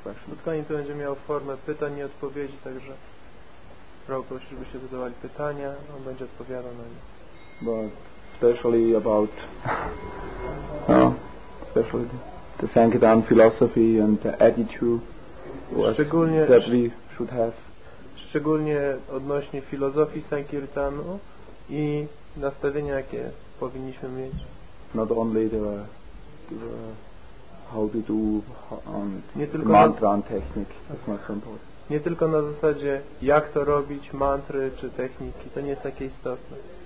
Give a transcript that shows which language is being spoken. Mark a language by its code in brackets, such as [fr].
[pl] Pod koniec będzie miał formę pytań i odpowiedzi, także prosił, żebyście zadawali pytania, on będzie odpowiadał na nie. [en] But especially about especially the Sankirtan philosophy and the attitude that we should have. [pl] Szczególnie odnośnie filozofii Sankirtanu i nastawienia, jakie powinniśmy mieć. [en] Not only the how we do mantra and technique. That's not so important. [pl] Nie tylko na zasadzie jak to robić, mantry czy techniki, to nie jest takie istotne.